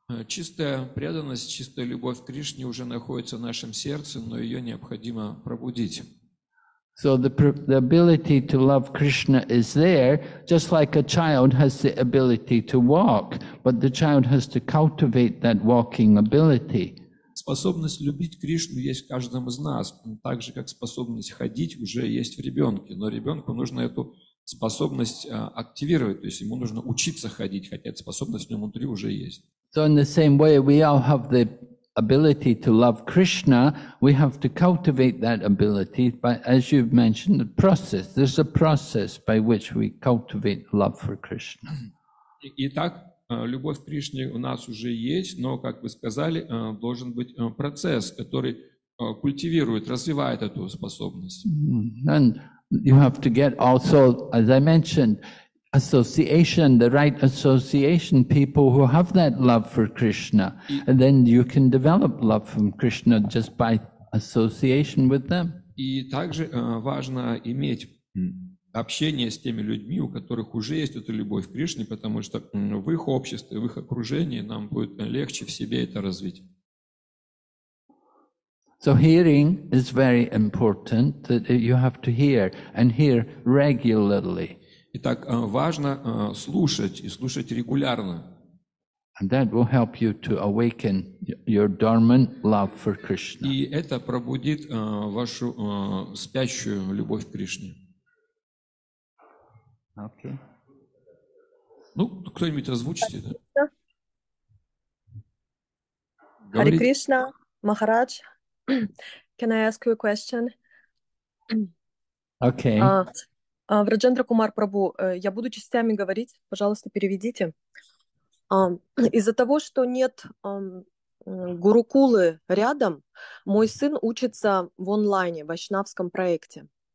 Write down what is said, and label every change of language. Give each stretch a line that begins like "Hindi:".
Russian: Чистая преданность, чистая любовь к Кришне уже находится в нашем сердце, но ее необходимо пробудить.
English: So the ability to love Krishna is there, just like a child has the ability to walk, but the child has to cultivate that walking ability.
Russian: Способность любить Кришну есть в каждом из нас, так же как способность ходить уже есть в ребенке, но ребенку нужно эту способность активировать, то есть ему нужно учиться ходить, хотя эта способность у него внутри уже есть.
English: So in the same way, we all have the ability to love Krishna. We have to cultivate that ability, but as you've mentioned, the process. There's a process by which we cultivate love for Krishna.
Russian: Итак, любовь к Кришне у нас уже есть, но, как вы сказали, должен быть процесс, который культивирует, развивает эту способность.
English: And you have to get also, as I mentioned, association, the right association, people who have that love for Krishna, and then you can develop love from Krishna just by association with them.
Russian: И также важно иметь общение с теми людьми, у которых уже есть эта любовь к Кришне, потому что в их обществе, в их окружении нам будет легче в себе это развить.
English: So hearing is very important, that you have to hear and hear regularly.
Russian: Итак, важно слушать, и слушать регулярно.
English: And that will help you to awaken your dormant love for Krishna.
Russian: И это пробудит вашу спящую любовь к Кришне.
English: Okay.
Russian: Ну, кто-нибудь озвучите, да?
English: Hare Krishna, Maharaj, can I ask you a question? Okay.
Russian: В Раджендра Кумар Прабу, я буду частями говорить, пожалуйста, переведите. Из-за того, что нет гурукулы рядом, мой сын учится в онлайне, в вайшнавском проекте.